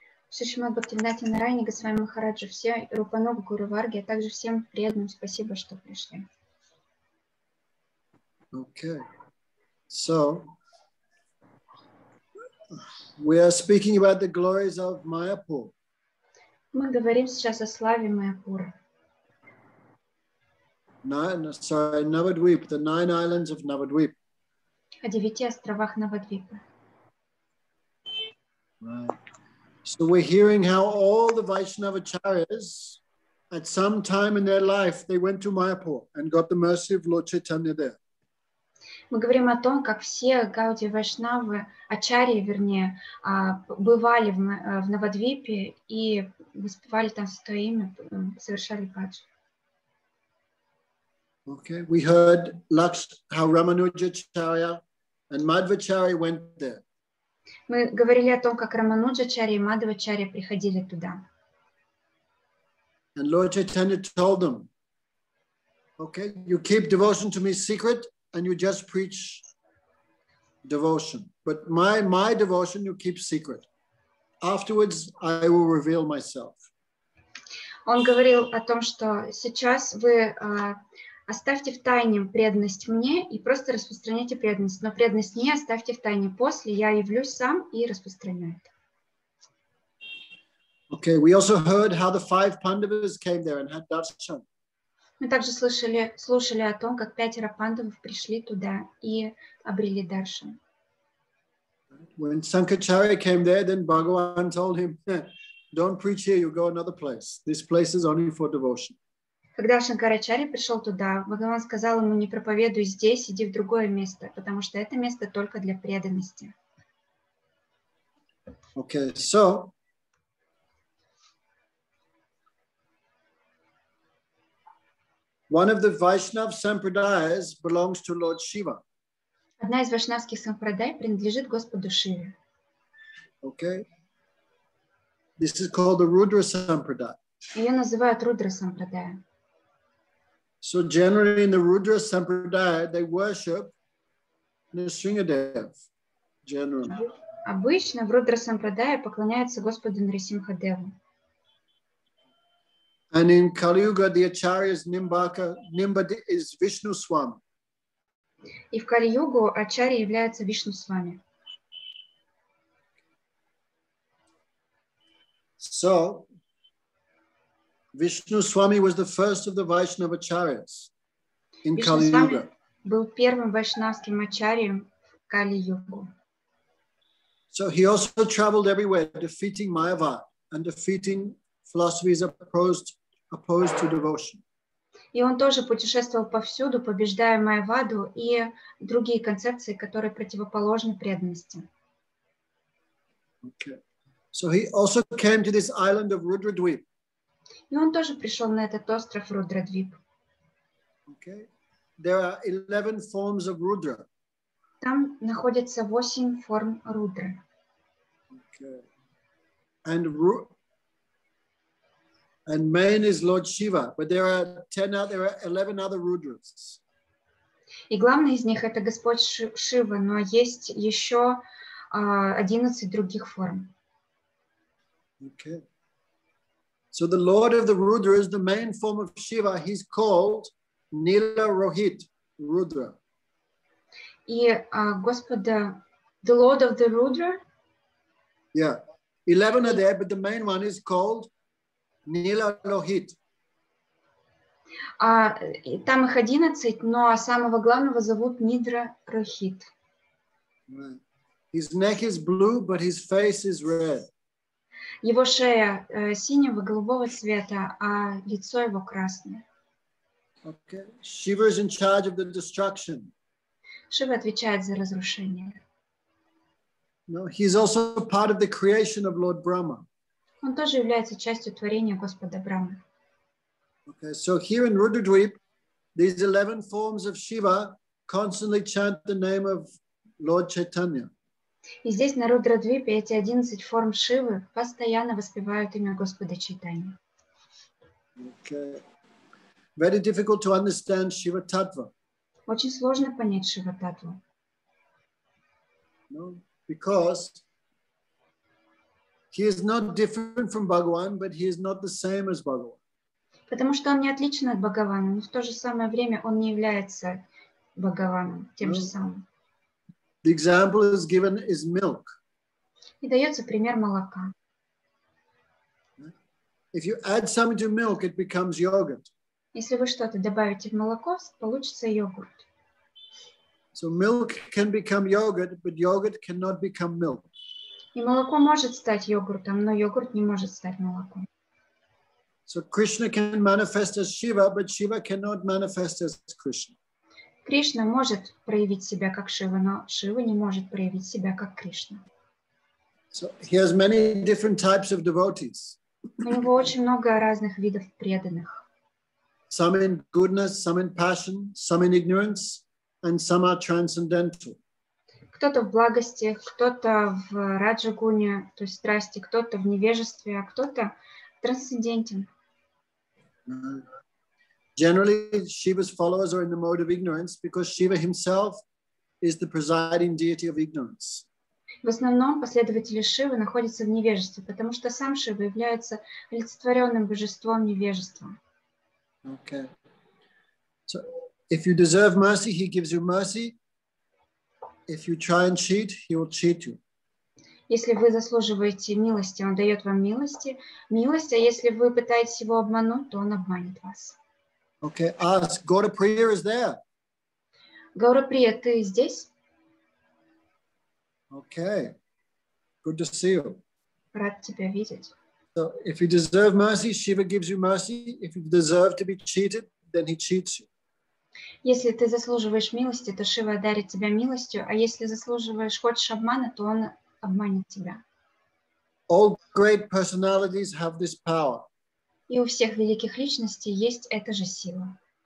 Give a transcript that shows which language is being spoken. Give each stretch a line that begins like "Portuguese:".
Russian: Шримад Бхактиведанта Нараяна Госвами Махараджа, все Рупануб Гуру Варги, а также всем преданным спасибо, что пришли. Okay.
English: So, we are speaking about the glories of Mayapur.
Russian: Мы говорим сейчас о славе Майяпура.
English: Навадвип, the nine islands of Навадвип.
Russian: О девяти островах Навадвипа.
English: So we're hearing how all the Vaishnava Acharyas, at some time in their life, they went to Mayapur and got the mercy of Lord Chaitanya there.
Russian: Мы говорим о том, как все Гауди Вайшнавы, Ачарьи, вернее, бывали в Навадвипе и воспевали там Святое Имя, совершали баджу.
English: Okay, we heard how Ramanuja Acharya and Madhva Acharya went there.
Russian: Мы говорили о том, как Рамануджа Чари и Мадхва Чари приходили туда.
English: And Lord Chaitanya told them, okay, you keep devotion to me secret and you just preach devotion. But my devotion you keep secret. Afterwards I will reveal myself.
Russian: Он говорил о том, что сейчас вы оставьте в тайне преданность мне и просто распространяйте преданность. Но преданность не оставьте в тайне. После я явлюсь сам и распространяю это.
English: Okay, we also heard how the five Pandavas came there and had darshan.
Russian: Мы также слушали о том, как пятеро пандавов пришли туда и обрели даршан.
English: When Sankaracharya came there, then Bhagavan told him, don't preach here, you go another place. This place is only for devotion.
Russian: Когда Шанкарачари пришел туда, Бхагаван сказал ему, не проповедуй здесь, иди в другое место, потому что это место только для преданности.
English: Okay, so one of the Vaishnav Sampradayas belongs to Lord Shiva.
Russian: Одна из вайшнавских сампрадай принадлежит Господу Шиве.
English: Okay. This is called the Rudra Sampradaya.
Russian: Ее называют Рудра Сампрадая.
English: So generally in the Rudra Sampradaya, they worship Nrisimhadev, generally.
Russian: Обычно в Рудра Сампрадая поклоняются Господу Нрисимхадеву.
English: And in Kali Yuga, the Acharya's Nimbaka, Nimbadi is Vishnu Swami.
Russian: И в Kali Yuga Acharya является Vishnu Swami.
English: So, Vishnu Swami was the first of the Vaishnava Acharyas in Kali Yuga.
Russian: Был первым вайшнавским ачарьем в Kali Yuga.
English: So he also traveled everywhere, defeating Mayavad and defeating philosophies opposed to devotion.
Russian: И он тоже путешествовал повсюду, побеждая Майаваду и другие концепции, которые противоположны преданности.
English: Okay. So he also came to this island of Rudradwip.
Russian: И он тоже пришел на этот остров Рудрадвип.
English: Okay. There are 11 forms of Rudra.
Russian: Там находится 8 форм Рудры.
English: Okay. And main is Lord Shiva, but there are 11 other Rudras.
Russian: И главный из них это Господь Шива, но есть еще 11 других форм.
English: Okay. So the Lord of the Rudras, the main form of Shiva, he's called Nila Rohit Rudra.
Russian: И Господа,
English: the Lord of the Rudra? Yeah, 11 are there, but the main one is called Nila Rohit.
Russian: Там их 11, но самого главного зовут Нидра Рохит.
English: His neck is blue, but his face is red.
Russian: Его шея синего, голубого цвета, а лицо его красное.
English: Okay. Shiva is in charge of the destruction.
Russian: Шива отвечает за разрушение.
English: No, he is also part of the creation of Lord Brahma.
Russian: Он тоже является частью творения Господа Брахмы.
English: Okay, so here in Rudradwip, these 11 forms of Shiva constantly chant the name of Lord Chaitanya.
Russian: И здесь на Рудрадвипе эти 11 форм Шивы постоянно воспевают имя Господа Чайтанья.
English: Okay. Very difficult to understand Shiva Tattva.
Russian: Очень сложно понять Шива Таттву.
English: No, because he is not different from Bhagavan, but he is not the same as Bhagavan.
Russian: Потому что он не отличен от Бхагавана, но в то же самое время он не является Бхагаваном тем же самым.
English: The example is given is milk.
Russian: И дается пример молока.
English: If you add something to milk, it becomes yogurt.
Russian: Если вы что-то добавите в молоко, получится йогурт.
English: So milk can become yogurt, but yogurt cannot become milk.
Russian: И молоко может стать йогуртом, но йогурт не может стать молоком.
English: So Krishna can manifest as Shiva, but Shiva cannot manifest as Krishna.
Russian: Кришна может проявить себя как Шива, но Шива не может проявить себя как Кришна.
English: So he has many different types of devotees.
Russian: У него очень много разных видов преданных.
English: Some in goodness, some in passion, some in ignorance, and some are transcendental.
Russian: Кто-то в благости, кто-то в раджа-гуне, то есть страсти, кто-то в невежестве, а кто-то трансцендентен.
English: Generally, Shiva's followers are in the mode of ignorance because Shiva himself is the presiding deity of ignorance.
Russian: В основном последователи Шивы находятся в невежестве, потому что сам Шива является олицетворенным божеством невежества.
English: Okay. So, if you deserve mercy, he gives you mercy. If you try and cheat, he will cheat you.
Russian: Если вы заслуживаете милости, он дает вам милость, а если вы пытаетесь его обмануть, то он обманет вас.
English: Okay, ask. Gaurapriya is there.
Russian: Gaurapriya, ты здесь?
English: Okay. Good to see you.
Russian: Рад тебя видеть.
English: So, if you deserve mercy, Shiva gives you mercy. If you deserve to be cheated, then he cheats you.
Russian: Если ты заслуживаешь милости, то Шива одарит тебя милостью, а если заслуживаешь, хочешь обмана, то он обманет тебя.
English: All great personalities have this power.
Russian: И у всех великих личностей есть эта же сила.